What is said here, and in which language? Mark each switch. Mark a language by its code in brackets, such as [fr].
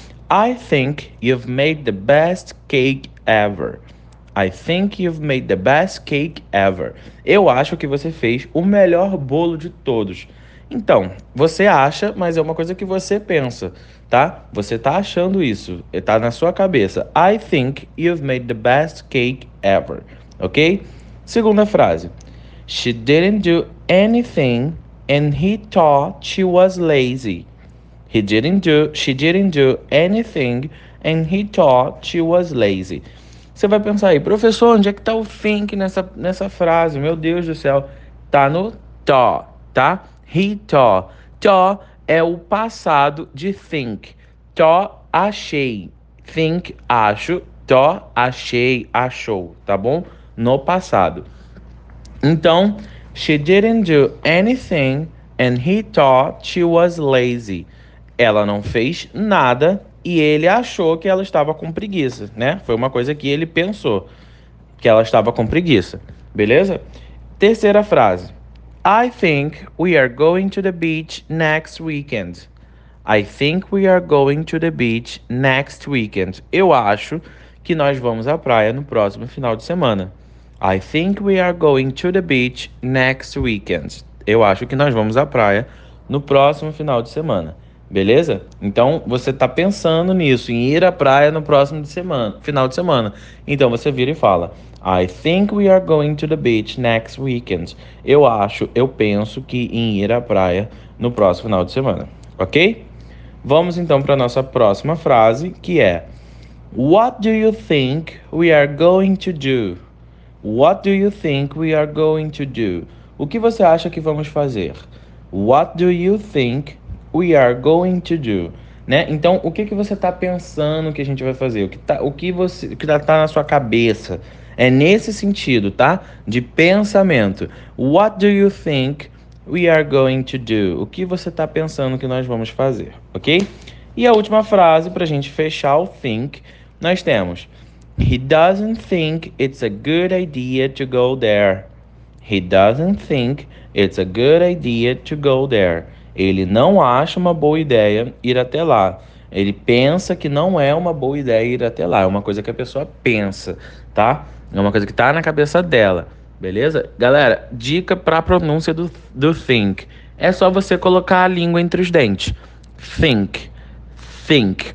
[en] I think you've made the best cake ever. I think you've made the best cake ever. [pt] Eu acho que você fez o melhor bolo de todos. Então, você acha, mas é uma coisa que você pensa, tá? Você tá achando isso, tá na sua cabeça. [en] I think you've made the best cake ever. Ok? [pt] Segunda frase. [en] She didn't do anything and he thought she was lazy. She didn't do anything and he thought she was lazy. [pt] Você vai pensar aí, professor, onde é que tá o think nessa frase? Meu Deus do céu. Tá no thought, tá? [en] He thought. [pt] Thought é o passado de think. Thought, achei. Think, acho. Thought, achei, achou. Tá bom? No passado. [en] Então, she didn't do anything and he thought she was lazy. [pt] Ela não fez nada e ele achou que ela estava com preguiça, né? Foi uma coisa que ele pensou que ela estava com preguiça, beleza? Terceira frase. [en] I think we are going to the beach next weekend. I think we are going to the beach next weekend. [pt] Eu acho que nós vamos à praia no próximo final de semana. [en] I think we are going to the beach next weekend. [pt] Eu acho que nós vamos à praia no próximo final de semana. Beleza? Então você está pensando nisso, em ir à praia no próximo de semana, final de semana. Então você vira e fala: [en] I think we are going to the beach next weekend. [pt] Eu acho, eu penso que em ir à praia no próximo final de semana. Ok? Vamos então para a nossa próxima frase, que é: [en] What do you think we are going to do? What do you think we are going to do? [pt] O que você acha que vamos fazer? [en] What do you think we are going to do, né? [pt] Então, o que que você está pensando que a gente vai fazer? O que tá na sua cabeça? É nesse sentido, tá? De pensamento. [en] What do you think we are going to do? [pt] O que você está pensando que nós vamos fazer, ok? E a última frase para a gente fechar o think, nós temos: [en] He doesn't think it's a good idea to go there. He doesn't think it's a good idea to go there. [pt] Ele não acha uma boa ideia ir até lá. Ele pensa que não é uma boa ideia ir até lá. É uma coisa que a pessoa pensa, tá? É uma coisa que tá na cabeça dela, beleza? Galera, dica para a pronúncia do think. É só você colocar a língua entre os dentes. Think. Think.